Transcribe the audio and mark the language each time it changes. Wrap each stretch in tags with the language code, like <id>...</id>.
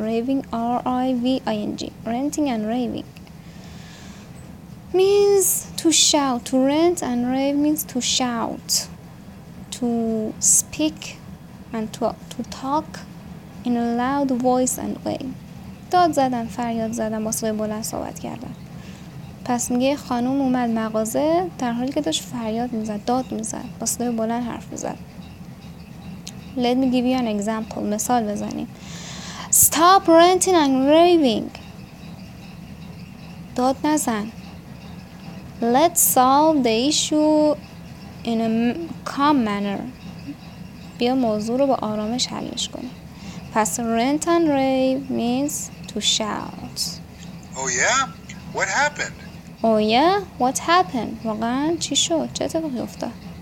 <en>Raving, R-I-V-I-N-G, ranting and raving. Means to shout, to rant and rave means to shout, to speak and to talk in a loud voice and way.</en> <fa>داد زدن، فریاد زدن، با صدای بلند صحبت کردن. پس میگه خانم اومد مغازه در حالی که داشت فریاد میزد، داد میزد، با صدای بلند حرف میزد.</fa> <en>Let me give you an example.</en> <fa>مثال بزنیم.</fa> <en>Stop ranting and raving.</en> <fa>داد نزن.</fa> <en>Let's solve the issue in a calm manner.</en> <fa>بیا موضوع رو با آرامش حلش کنیم.</fa> <en>پس rant and rave means to shout. Oh yeah? What happened? Oh yeah? What happened?</en> <fa>واقعاً چی شد؟ چه اتفاقی افتاد؟</fa>